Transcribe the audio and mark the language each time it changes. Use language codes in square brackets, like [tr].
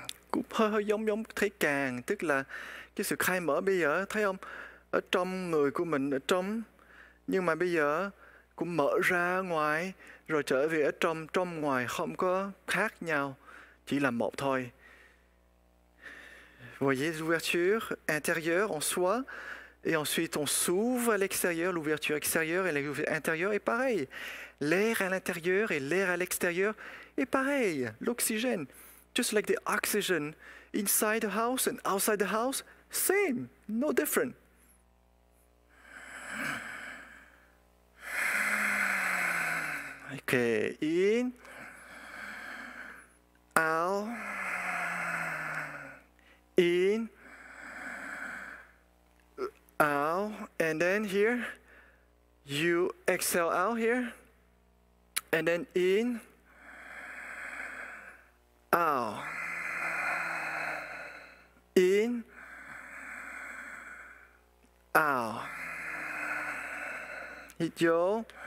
[vi] Cũng hơi hơi giống giống thấy càng, tức là cái sự khai mở bây giờ, thấy không? Ở trong người của mình, ở trong, nhưng mà bây giờ cũng mở ra ngoài, rồi trở về ở trong, trong ngoài, không có khác nhau, chỉ là một thôi. [fr] Vous voyez, ouverture intérieure en soi, et ensuite on s'ouvre à l'extérieur, l'ouverture extérieure et l'ouverture intérieure est pareil. L'air à l'intérieur et l'air à l'extérieur est pareil, l'oxygène. [en] Just like the oxygen inside the house and outside the house, same, no different. Okay, in, out, in, out, and then here, you exhale out here, and then in, out, in, out, 히죠.